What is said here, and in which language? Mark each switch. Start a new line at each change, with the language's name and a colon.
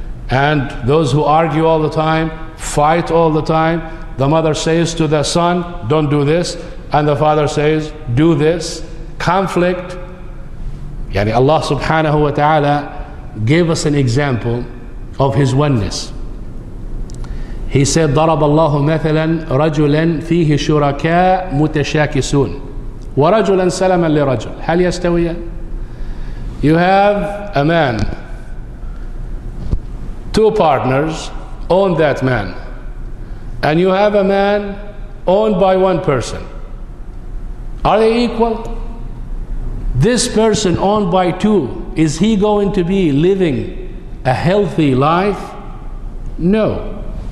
English: And those who argue all the time, fight all the time, the mother says to the son, don't do this, and the father says, do this. Conflict. Yani Allah subhanahu wa ta'ala gave us an example of His oneness. He said,
Arabic: ضَرَبَ اللَّهُ مَثَلًا رَجُلًا فِيهِ شُرَكَاءَ مُتَشَاكِسُونَ وَرَجُلًا سَلَمًا لِرَجُلٍ هَلْ يَسْتَوِيَا.
English: You have a man, two partners own that man, and you have a man owned by one person. Are they equal? This person owned by two, is he going to be living a healthy life? No.